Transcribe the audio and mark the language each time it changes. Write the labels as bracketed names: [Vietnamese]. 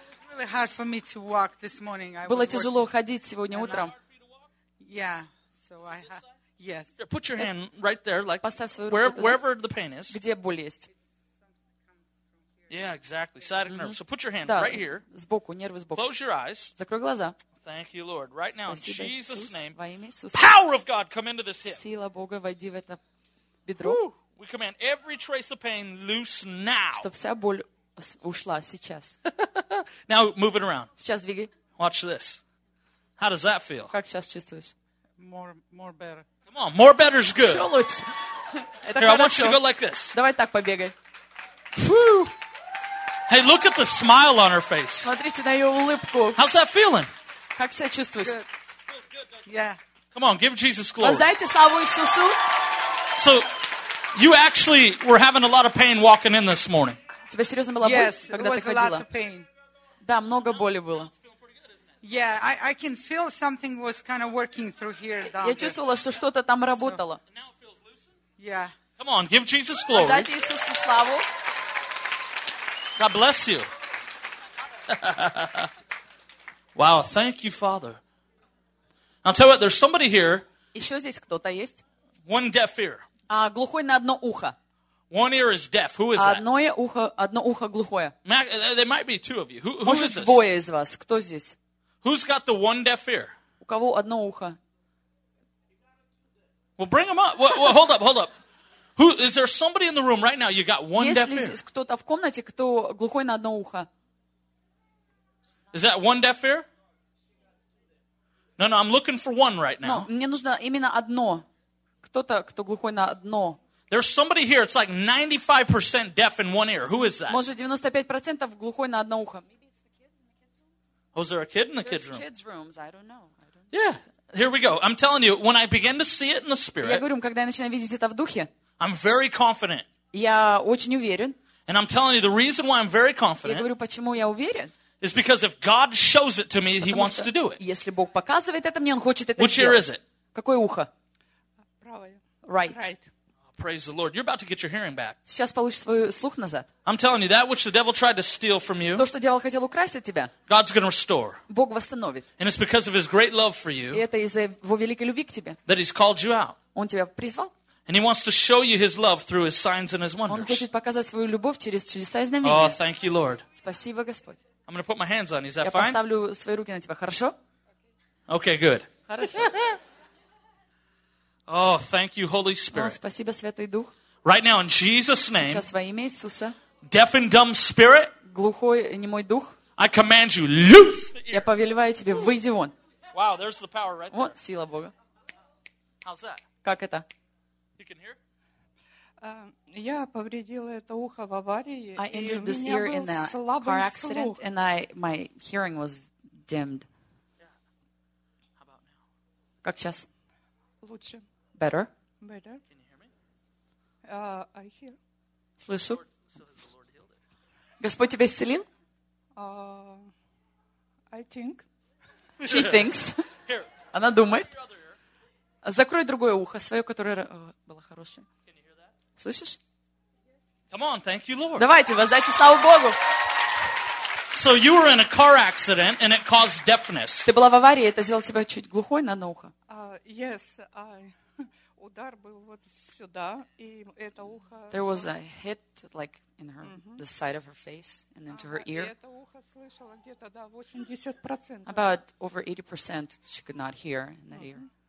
[English] Really hard for me to walk this morning. [Russian] Было тяжело ходить сегодня утром. [English] Yeah, so I have, yes. Put your hand right there, like [Russian] поставь свою руку [English] where, [Russian] туда, [English] wherever the pain is. [Russian] Где боль есть. [English] Yeah, exactly. Sciatic nerve. So put your hand [Russian] да, [English] right here. [Russian] Сбоку, нервы сбоку. [English] Close your eyes. [Russian] Закрой глаза. [English] Thank you, Lord. Right now, [Russian] спасибо, [English] in Jesus' [Russian] Иисус, [English] name, [Russian] во имя Иисуса. [English] Power of God, come into this hip. [Russian] Сила Бога, войди в это бедро. Woo! [English] We command every trace of pain loose now. [Russian] Чтоб вся боль ушла сейчас. [English] Now, move it around. [Russian] Сейчас двигай. [English] Watch this. How does that feel? [Russian] Как сейчас чувствуешь? [English] more better. Come on, more better is good. [Russian] Что лучше? Это хорошо. [English] Here, I want you to go like this. [Russian] Давай так побегай. Whew. [English] Hey, look at the smile on her face. [Russian] Смотрите на ее улыбку. [English] How's that feeling? [Russian] Как себя чувствуешь? [English] Good. Feels good, doesn't it? Yeah. Come on, give Jesus glory. [Russian] Воздайте славу Иисусу. [English] So, you actually were having a lot of pain walking in this morning. [Russian] У тебя серьезно была боль, когда ты ходила? [English] Yes, it was a lot of pain. [Russian] Да, много боли было. [English] Yeah, I can feel something was kind of working through here. [Russian] Я чувствовала, что что-то там работало. [English] Yeah. Come on, give Jesus glory. [Russian] Воздайте Иисусу славу. [English] God bless you. Wow, thank you, Father. I'll tell you what, there's somebody here. [Russian] Еще здесь кто-то есть. [English] One deaf ear. [Russian] Глухой на одно ухо. [English] One ear is deaf. Who is that? [Russian] Одно ухо глухое. [English] There might be two of you. Who [Russian] Может, [English] is this? [Russian] Может, двое из вас. Кто здесь? [English] Who's got the one deaf ear? [Russian] У кого одно ухо? [English] Well, bring them up. Well, hold up, hold up. Who is there? Somebody in the room right now? You got one deaf ear. [Russian] Есть ли кто-то в комнате, кто глухой на одно ухо? [English] Is that one deaf ear? No, I'm looking for one right now. [Russian] Мне нужно именно одно. Кто-то, кто глухой на одно. [English] There's somebody here. It's like 95% deaf in one ear. Who is that? [Russian] Может, 95% глухой на одно ухо. [English] Oh, is there a kid in the kids room? Kids rooms. I don't know. Yeah. Here we go. I'm telling you, when I begin to see it in the spirit. [Russian] Я говорю, когда я начинаю видеть это в духе. [English] I'm very confident. [Russian] Я очень уверен. [English] And I'm telling you the reason why I'm very confident. [Russian] Я говорю, почему я уверен. [English] Is because if God shows it to me, [Russian] Потому [English] He wants to do it. [Russian] Если Бог показывает это мне, Он хочет это сделать. [English] Which ear is it? [Russian] Какое ухо? Правое. [English] Right. Oh, praise the Lord. You're about to get your hearing back. [Russian] Сейчас получишь свой слух назад. [English] I'm telling you, that which the devil tried to steal from you, [Russian] то, что дьявол хотел украсть от тебя, [English] God's going to restore. [Russian] Бог восстановит. [English] And it's because of His great love for you, [Russian] и это из-за Его великой любви к тебе, [English] that He's called you out. [Russian] Он тебя призвал. [English] And He wants to show you His love through His signs and His wonders. [Russian] Он хочет показать свою любовь через чудеса и знамения. [English] Oh, thank you, Lord. [Russian] Спасибо, Господь. [English] I'm going to put my hands on you. Is that [Russian] Я [English] fine? [Russian] Я поставлю свои руки на тебя. Хорошо? [English] Okay, good. [Russian] Хорошо. [English] Oh, thank you, Holy Spirit. [Russian] О, спасибо, Святой Дух. [English] Right now, in Jesus' name. [Russian] Сейчас во имя Иисуса. [English] Deaf and dumb spirit. [Russian] Глухой и немой дух. [English] I command you, loose. [Russian] Я повелеваю тебе, выйди вон. [English] Wow, there's the power right there. [Russian] Вот сила Бога. [English] How's that? [Russian] Как это? [English] You can hear? [Russian] Я повредила это ухо в аварии. [English] I injured this ear in a car accident, and my hearing was dimmed. Yeah. How about now? [Russian] Как сейчас? Лучше. [English] Better. Better. Can you hear me? I hear. [Russian] Слышу. Господь тебя исцелил? [English] I think. She thinks. [Russian] Она думает. Закрой другое ухо свое, которое было хорошим. Слышишь? [English] Come on, thank you, Lord. [Russian] Давайте, воздайте славу Богу. [English] So you were in a car accident and it caused deafness. [Russian] Ты была в аварии, это сделало тебя чуть глухой на одно ухо. [English] Yes, I [Russian] удар был вот сюда, и это ухо. [English] There was a hit like in her the side of her face and into her ear. [Russian] Это ухо слышало где-то до 80%. [English] About over 80% she could not hear in that ear.